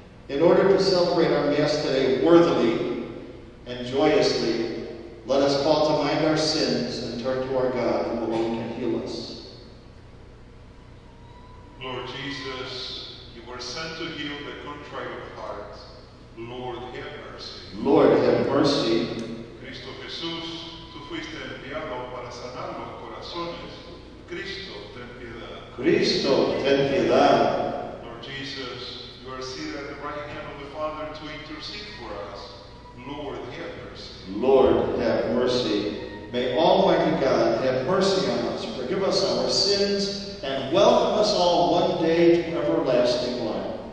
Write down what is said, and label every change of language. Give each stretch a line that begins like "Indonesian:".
English: In order to celebrate our Mass today worthily and joyously, let us call to mind our sins and turn to our God, who alone can heal us. Lord Jesus, you were sent to heal the contrite of heart. Lord, have mercy. Lord, have mercy.
Spanish: Cristo Jesús, tú fuiste enviado para sanar los corazones. Cristo, ten piedad. Cristo, ten piedad.
English: Lord Jesus, you are seated at the right hand of the Father to intercede for us. Lord, have mercy. Lord, have mercy. May Almighty God have mercy on us, forgive us our sins, and welcome us all one day to everlasting life.